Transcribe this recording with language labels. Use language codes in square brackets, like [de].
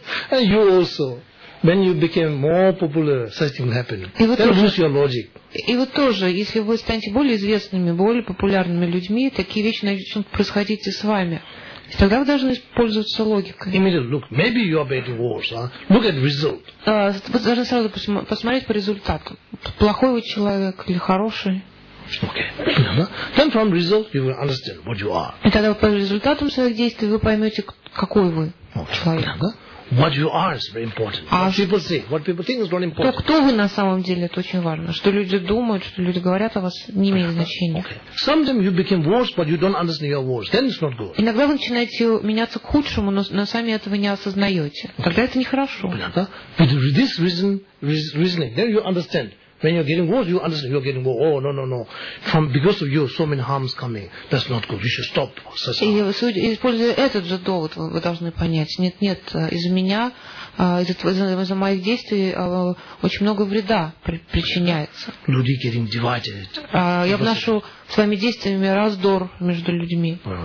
[en] And you also, when you became more popular, such thing happened. Then lose your logic. [ru] И вы тоже, если вы станете более известными, более популярными людьми, такие вещи начнут происходить и с вами. И тогда вы должны пользоваться логикой. [en] Immediately look. Maybe you are betting worse. Look at result. [ru] Вы должны сразу посмотреть по результату. Плохой вы человек или хороший. [en] Okay. Then from result you will understand what you are. [ru] И тогда по результатам своих действий вы поймете, какой вы человек. [en] What you are is very important. What people say, what people think is not important. [ru] То, кто вы на самом деле, это очень важно. Что люди думают, что люди говорят о вас, не имеет значения. [en] Okay. Sometimes you become worse, but you don't understand your worse. Then it's not good. [ru] Иногда вы начинаете меняться к худшему, но сами этого не осознаете. Тогда это нехорошо. [en] With this reason, reasoning, then you understand. When you're getting worse, you understand you're getting worse. Oh, no, no, no. From because of you, so many harms coming. That's not good. You should stop. [ru] Используя этот же довод, вы должны понять. Нет, нет, из-за меня, из-за моих действий очень много вреда причиняется. Люди [en] getting divided. [ru] Я вношу своими действиями раздор между людьми.